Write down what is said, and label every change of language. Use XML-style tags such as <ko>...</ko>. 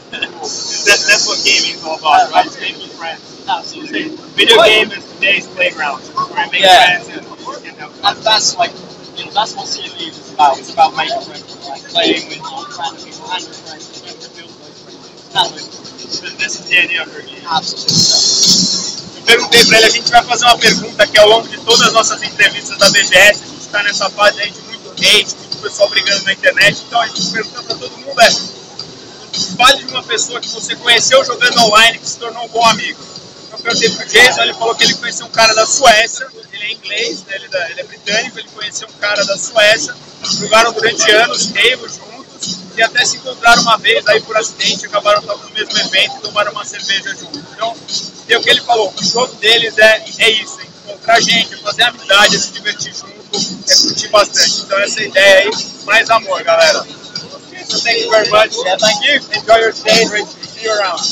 <en>That's what gaming is all about, right? Making friends. Absolutely. Video game is today's playground, where you make friends and help. That's like, you know, that's what CoD is about. It's about making friends, like playing with all kinds of people and friends, and you have to build those friends. This is the idea of your game. Absolutely.</en> <pt>Eu perguntei pra ele, a gente vai fazer uma pergunta que ao longo de todas as nossas entrevistas da BGS, a gente tá nessa fase aí de muito hate, muito pessoal brigando na internet, então a gente pergunta pra todo mundo, fale de uma pessoa que você conheceu jogando online e que se tornou um bom amigo. Eu perguntei pro Jason, ele falou que ele conheceu um cara da Suécia, ele é inglês, né? ele é britânico, ele conheceu um cara da Suécia, jogaram durante anos, reivos juntos, e até se encontraram uma vez aí por acidente, acabaram tava no mesmo evento e tomaram uma cerveja juntos. Então, é o que ele falou, o jogo deles é isso, encontrar gente, fazer amizade, se divertir junto, é curtir bastante. Então essa ideia aí, mais amor, galera.</pt> <en>So thank you very much. Yeah, thank you. Enjoy your stay. See you around.</en>